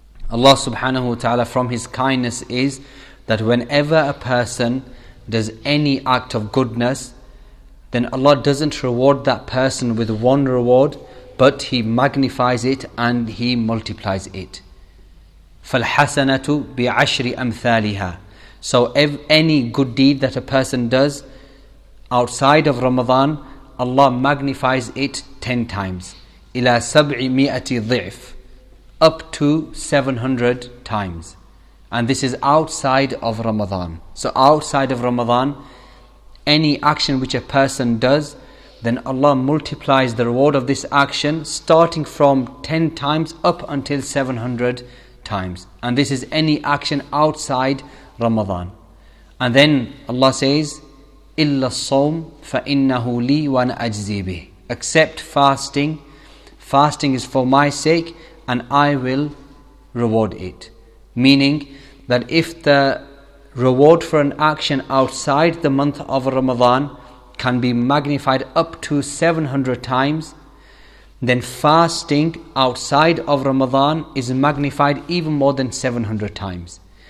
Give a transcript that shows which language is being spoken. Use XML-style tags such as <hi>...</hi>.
<en>Allah subhanahu wa ta'ala from His kindness is that whenever a person does any act of goodness, then Allah doesn't reward that person with one reward, but He magnifies it and He multiplies it.</en> <ar>فَالْحَسَنَةُ بِعَشْرِ أَمْثَالِهَا,</ar> <en>so if any good deed that a person does outside of Ramadan, Allah magnifies it 10 times.</en> <ar>إِلَى سَبْعِ مِئَةِ ضِعْفِ,</ar> <en>up to 700 times. And this is outside of Ramadan. So outside of Ramadan, any action which a person does, then Allah multiplies the reward of this action starting from 10 times up until 700 times. And this is any action outside Ramadan. And then Allah says,</en> <ar>إِلَّا الصَّوْمْ فَإِنَّهُ لِي وَنَ أَجْزِي بِهِ,</ar> <en>except fasting. Fasting is for my sake and I will reward it. Meaning that if the reward for an action outside the month of Ramadan can be magnified up to 700 times, then fasting outside of Ramadan is magnified even more than 700 times.</en>